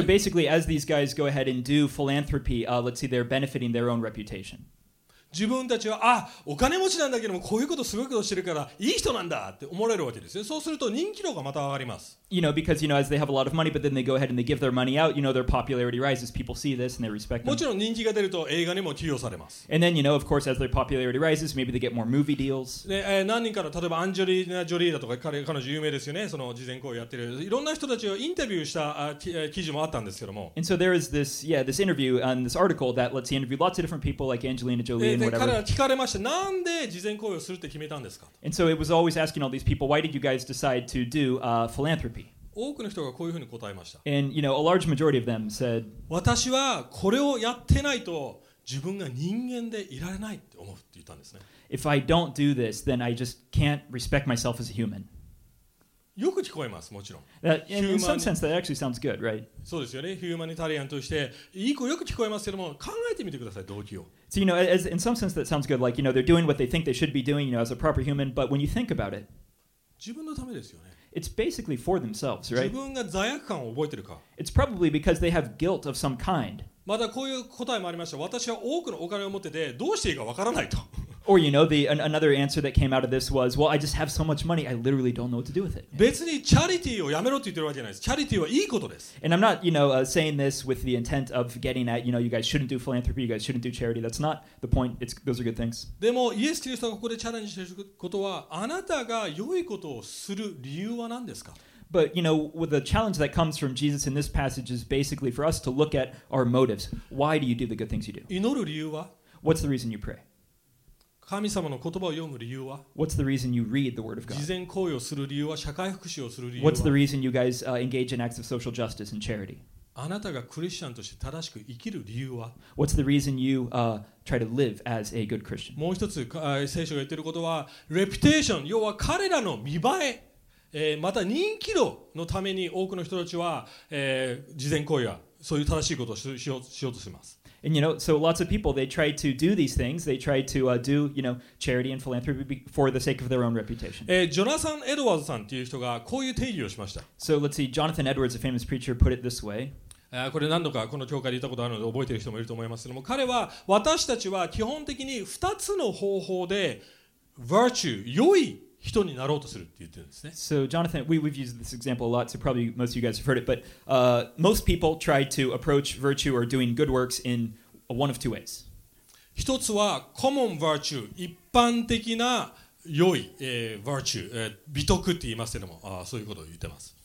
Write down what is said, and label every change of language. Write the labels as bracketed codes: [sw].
[en] So basically, as these guys go ahead and do philanthropy, let's see, they're benefiting their own reputation. [ja] 自分たちはあ、お金持ちなんだけどもこういうことすごいことしてるからいい人なんだって思われるわけですね。そうすると人気度がまた上がります。 [en] You know, because you know, as they have a lot of money, but then they go ahead and they give their money out, you know, their popularity rises. People see this and they respect them. [ja] もちろん人気が出ると映画にも起用されます。 [en] And then, you know, of course, as their popularity rises, maybe they get more movie deals. [ja] 何人かの、例えばアンジェリーナ・ジョリーだとか、彼女有名ですよね、その事前行為をやってる。いろんな人たちをインタビューした記事もあったんですけども。 [en] And so there is this, yeah, this interview and this article that lets you interview lots of different people like Angelina Jolie and whatever. [ja] 彼ら聞かれました。なんで事前行為をするって決めたんですか? [en] And so it was always asking all these people, why did you guys decide to do philanthropy? [ja] 多くの人がこういうふうに答えました。 [en] And, you know, a large majority of them said, [ja] 私はこれをやってないと自分が人間でいられないって思うって言ったんですね。 [en] If I don't do this, then I just can't respect myself as a human. [ja] よく聞こえます、もちろん。 [en] That, in some sense, that actually sounds good, right? [ja] そうですよね。ヒューマニタリアンとして、いい子よく聞こえますけども、考えてみてください、動機を。 [en] So, you know, in some sense, that sounds good. Like, you know, they're doing what they think they should be doing, you know, as a proper human. But when you think about it, [ja] 自分のためですよね。 [en] It's basically for themselves, right? [ja] 自分が罪悪感を覚えてるか? [en] It's probably because they have guilt of some kind. [ja] またこういう答えもありました。私は多くのお金を持っててどうしていいかわからないと。 [en] Or, you know, another answer that came out of this was, well, I just have so much money, I literally don't know what to do with it. [ja] 別にチャリティーをやめろって言ってるわけじゃないです。チャリティーはいいことです。 [en] And I'm not, you know, saying this with the intent of getting at, you know, you guys shouldn't do philanthropy, you guys shouldn't do charity. That's not the point. Those are good things. [ja] でも、イエス・キリストがここでチャレンジしていることは、あなたが良いことをする理由は何ですか? [en] But, you know, with the challenge that comes from Jesus in this passage is basically for us to look at our motives. Why do you do the good things you do? [ja] 祈る理由は? [en] What's the reason you pray? [ja] 神様の言葉を読む理由は? [en] What's the reason you read the word of God? [ja] 慈善行為をする理由は、社会福祉をする理由は? [en] What's the reason you guys engage in acts of social justice and charity? [ja] あなたがクリスチャンとして正しく生きる理由は? [en] What's the reason you try to live as a good Christian? [ja] もう一つ、聖書が言っていることは、reputation、要は彼らの見栄え、また人気度のために多くの人たちは、慈善行為や、そういう正しいことをしようとします。 [en] And you know, so lots of people, they try to do these things. They try to do, you know, charity and philanthropy for the sake of their own reputation. [ja] ジョナサン・エドワーズさんという人がこういう定義をしました。 [en] So let's see, Jonathan Edwards, a famous preacher, put it this way. [ja] これ何度かこの教会で言ったことあるので覚えている人もいると思いますけども、彼は私たちは基本的に2つの方法で virtue、良い人になろうとするって言ってるんですね。 [en] So Jonathan, we've used this example a lot, so probably most of you guys have heard it, but most people try to approach virtue or doing good works in one of two ways. [ja] 一つは common virtue, 一般的な良い、virtue、美徳って言いますけども、そういうことを言ってます。